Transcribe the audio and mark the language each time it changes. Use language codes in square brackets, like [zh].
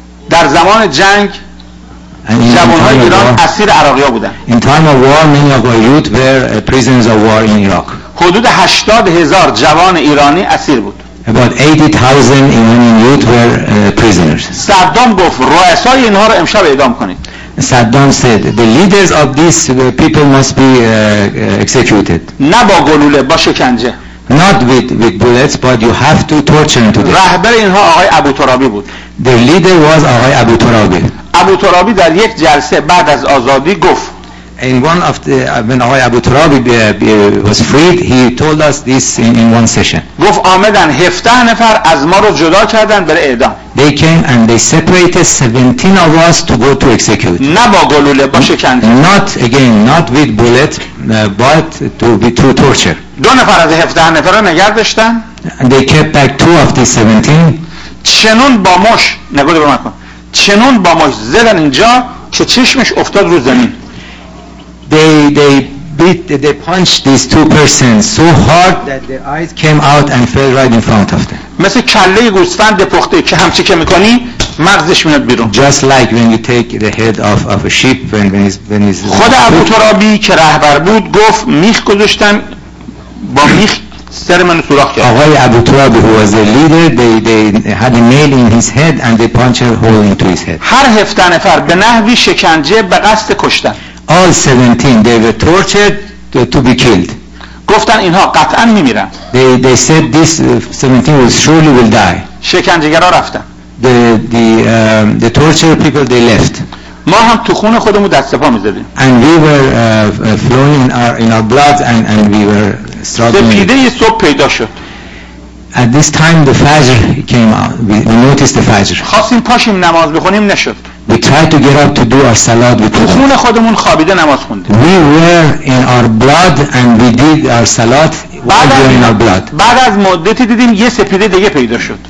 [fa] در زمان جنگ جوانهای ایران اسیر عراقی ها بودن. [en] In time of war, many of our youth were prisoners of war in Iraq. [fa] حدود 80,000 جوان ایرانی اسیر بود. [en] About 80,000 Iranian youth were prisoners. [fa] صدام گفت رؤسای اینها رو امشب اعدام کنید. [en] Saddam said the leaders of these people must be executed. [fa] نه با گلوله، با شکنجه. [en] Not with bullets, but you have to torture them to death. [fa] رهبر اینها آقای ابو ترابی بود. [en] The leader was آقای ابو ترابی. [fa] ابو ترابی در یک جلسه بعد از آزادی گفت [en] in one of the when آقای ابو ترابی was freed, he told us this in one session. [fa] گفت آمدن 17 نفر از ما رو جدا کردن برای اعدام. [en] They came and they separated 17 of us to go to execute. [fa] نه با گلوله، با شکنجه. [en] Not with bullet, but to be through torture. [fa] دو نفر از 17 نفر رو نگه داشتن. [en] They kept back two of the 17. [fa] چنون با مش نگو به من کن. چنون با مش زدن اینجا که چشمش افتاد رو زمین. [en] They punched these two persons so hard that their eyes came out and fell right in front of them. [fa] مثل کله گوسفند پخته که همچی که میکنی مغزش میاد بیرون. [en] Just like when you take the head of a sheep when he's [fa] خود ابو ترابی که رهبر بود گفت میخ گذاشتن با میخ سر منو سوراخ کرد. [en] آقای ابو ترابی who was the leader, they had a nail in his head and they punched a hole into his head. [fa] هر 17 نفر به نحوی شکنجه به قصد کشتن. [en] All 17 they were tortured to be killed. [fa] گفتن اینها قطعا میمیرن. [en] They said this 17 will surely will die. [fa] شکنجهگرا رفتن. [en] The tortured people they left. [fa] ما هم تو خون خودمون دست پا میزدیم. [en] And we were flowing in our blood and we were struggling. [fa] سپیده صبح پیدا شد. [en] At this time the fajr came out. We noticed the fajr. [fa] خواستیم پاشیم نماز بخونیم نشد. [en] We tried to get up to do our salat. [fa] تو خون خودمون خوابیده نماز خوندیم. [en] We were in our blood and we did our salat. [fa] بعد از مدتی دیدیم یه سپیده دیگه پیدا شد.